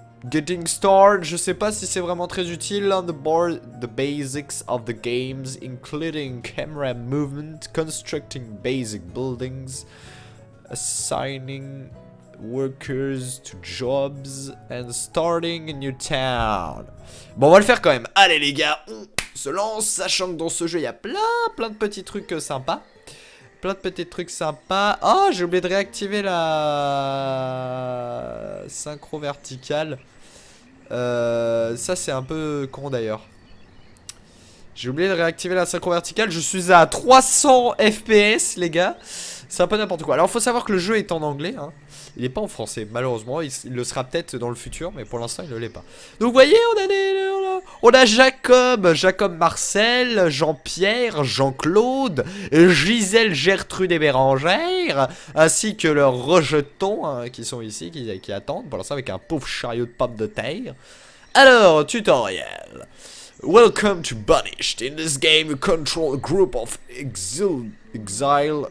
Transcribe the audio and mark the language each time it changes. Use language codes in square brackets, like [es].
[en] Getting started, [fr] je sais pas si c'est vraiment très utile. [en] On the board, the basics of the games, including camera movement, constructing basic buildings, assigning workers to jobs, and starting a new town. [fr] Bon, on va le faire quand même. Allez les gars, on se lance, sachant que dans ce jeu, il y a plein de petits trucs sympas. Plein de petits trucs sympas. Oh, j'ai oublié de réactiver la... synchro verticale. Ça c'est un peu con d'ailleurs. J'ai oublié de réactiver la synchro verticale. Je suis à 300 FPS les gars. C'est un peu n'importe quoi. Alors faut savoir que le jeu est en anglais, hein. Il n'est pas en français malheureusement. Il le sera peut-être dans le futur, mais pour l'instant il ne l'est pas. Donc voyez, on a Jacob Marcel, Jean-Pierre, Jean-Claude, Gisèle, Gertrude et Bérangère, ainsi que leurs rejetons, hein, qui sont ici, qui attendent pour l'instant avec un pauvre chariot de pommes de terre. Alors, tutoriel. [en] Welcome to Banished. In this game, you control a group of exile.